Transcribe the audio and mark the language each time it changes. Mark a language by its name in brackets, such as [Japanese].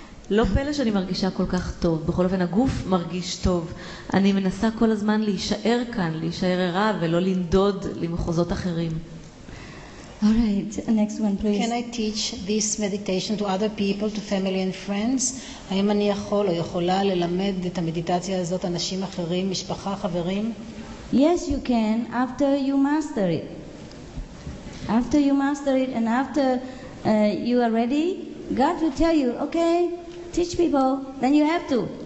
[Hebrew] לא פלא שאני מרגישה כל כך טוב. בכל אופן הגוף מרגיש טוב. אני מנסה כל הזמן להישאר כאן, להישאר ערה ולא לנדוד למחוזות אחרים. [English] All right, next one, please. Can I teach this meditation to other people, to family and friends? [Hebrew] האם אני יכול או יכולה ללמד את המדיטציה הזאת אנשים אחרים, משפחה, חברים? [English] Yes, you can, after you master it. After you master it and after you are ready, God will tell you, okay, teach people, then you have to.